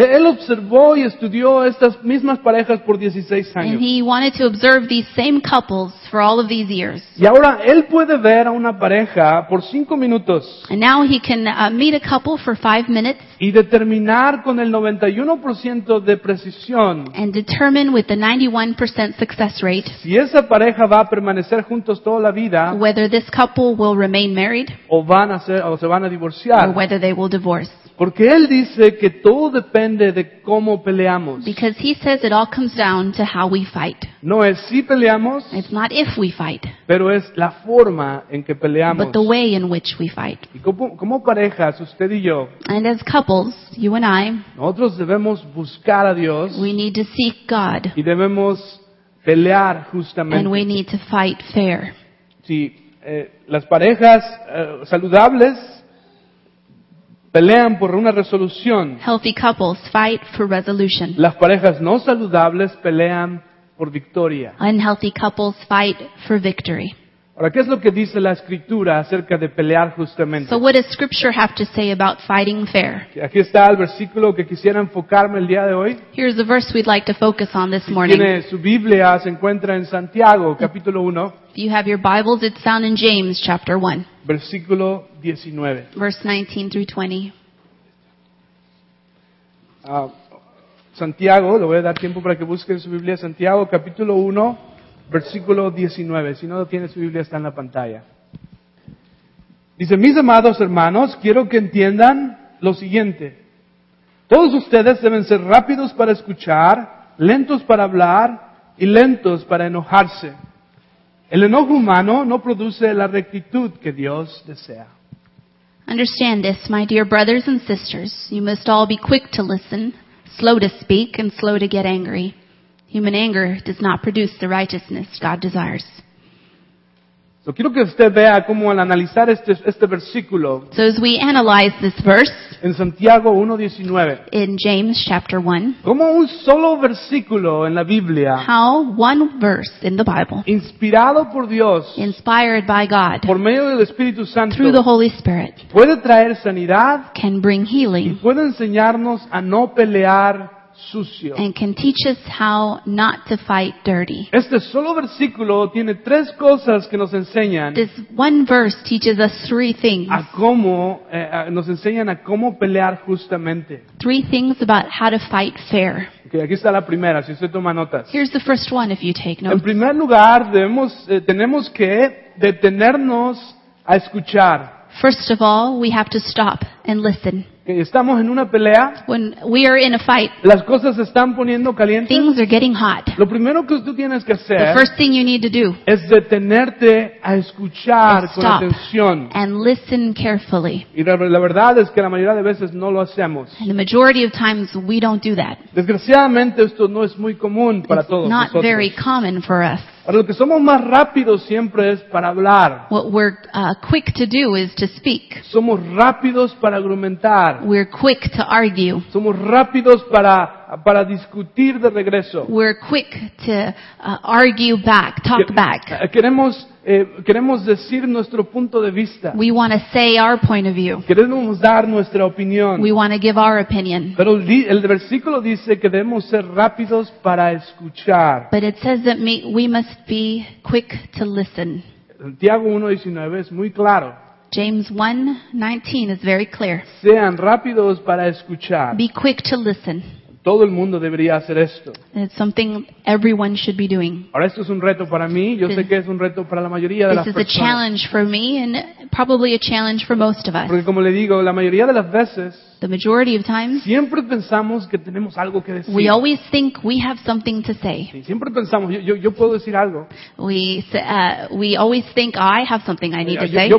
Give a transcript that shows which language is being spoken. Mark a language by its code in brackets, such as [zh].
[es] Él observó y estudió estas mismas parejas por 16 años. [en] And he wanted to observe these same couples for all of these years. [es] Y ahora él puede ver a una pareja por 5 minutos. [en] And now he can meet a couple for 5 minutes. [es] Y determinar con el 91% de precisión. [en] And determine with the 91% success rate. [es] Si esa pareja va a permanecer juntos toda la vida. [en] Whether this couple will remain married, [es] o se van a divorciar, [en] or whether they will divorce. [es] Porque él dice que todo depende de cómo peleamos. [en] Because he says it all comes down to how we fight. [es] No es si peleamos. [en] It's not if we fight. [es] Pero es la forma en que peleamos. [en] But the way in which we fight. [es] Y como parejas, usted y yo. [en] And as couples, you and I. [es] Nosotros debemos buscar a Dios. [en] We need to seek God. [es] Y debemos pelear justamente. [en] And we need to fight fair. [es] Si las parejas saludables pelean por una resolución. [en] Healthy couples fight for resolution. [es] Las parejas no saludables pelean por victoria. [en] Unhealthy couples fight for victory. [es] Ahora, ¿qué es lo que dice la Escritura acerca de pelear justamente? [en] So what does Scripture have to say about fighting fair? [es] Aquí está el versículo que quisiera enfocarme el día de hoy. [en] Here's the verse we'd like to focus on this morning. [es] Tiene su Biblia, se encuentra en Santiago, capítulo 1. [en] If you have your Bibles, it's found in James, chapter 1. [es] Versículo 19. [en] Verse 19 through 20. [es] Santiago, le voy a dar tiempo para que busque en su Biblia. Santiago, capítulo 1. Versículo 19, si no lo tiene su Biblia, está en la pantalla. Dice, mis amados hermanos, quiero que entiendan lo siguiente. Todos ustedes deben ser rápidos para escuchar, lentos para hablar y lentos para enojarse. El enojo humano no produce la rectitud que Dios desea. [en] Understand this, my dear brothers and sisters. You must all be quick to listen, slow to speak, and slow to get angry. Human anger does not produce the righteousness God desires. [es] So quiero que usted vea cómo al analizar este versículo. [en] So as we analyze this verse. [es] En Santiago 1:19. [en] In James chapter 1. [es] Como un solo versículo en la Biblia. [en] How one verse in the Bible. [es] Inspirado por Dios. [en] Inspired by God. [es] Por medio del Espíritu Santo. [en] Through the Holy Spirit. [es] Puede traer sanidad. [en] Can bring healing. [es] Y puede enseñarnos a no pelear. [en] And can teach us how not to fight dirty. [es] Este solo versículo tiene tres cosas que nos enseñan. [en] This one verse teaches us three things. [es] Nos enseñan a cómo pelear justamente. [en] Three things about how to fight fair. [es] Okay, aquí está la primera, si usted toma notas. [en] Here's the first one if you take notes. [es] En primer lugar, tenemos que detenernos a escuchar. [en] First of all, we have to stop and listen. [es] Estamos en una pelea. [en] When we are in a fight, [es] las cosas se están poniendo calientes. [en] Things are getting hot. [es] Lo primero que tú tienes que hacer, [en] the first thing you need to do, [es] es detenerte a escuchar con atención. [en] And listen carefully. [es] Y la verdad es que la mayoría de veces no lo hacemos. [en] And the majority of times we don't do that. [es] Desgraciadamente esto no es muy común para [en] It's [es] todos [en] not [es] nosotros. [en] Very common for us. [es] Para lo que somos más rápidos siempre es para hablar. [en] What we're quick to do is to speak. [es] Somos rápidos para argumentar. [en] We're quick to argue. [es] Somos rápidos para discutir de regreso. [en] We're quick to argue back, talk back. [es] Queremos decir nuestro punto de vista. [en] We want to say our point of view. [es] Queremos dar nuestra opinión. [en] We want to give our opinion. [es] Pero el versículo dice que debemos ser rápidos para escuchar. [en] But it says that we must be quick to listen. [es] Santiago 1:19 es muy claro. [en] James 1:19 is very clear. [es] Sean rápidos para escuchar. [en] Be quick to listen. [es] Todo el mundo debería hacer esto. [en] It's something everyone should be doing. [es] Ahora esto es un reto para mí. Yo sé que es un reto para la mayoría de las personas. [en] This is a challenge for me and probably a challenge for most of us. [es] Porque como le digo, la mayoría de las veces, [en] the majority of times, [es] siempre pensamos que tenemos algo que decir. [en] We always think we have something to say. [es] Siempre pensamos, yo puedo decir algo. [en] We always think I have something I need to say.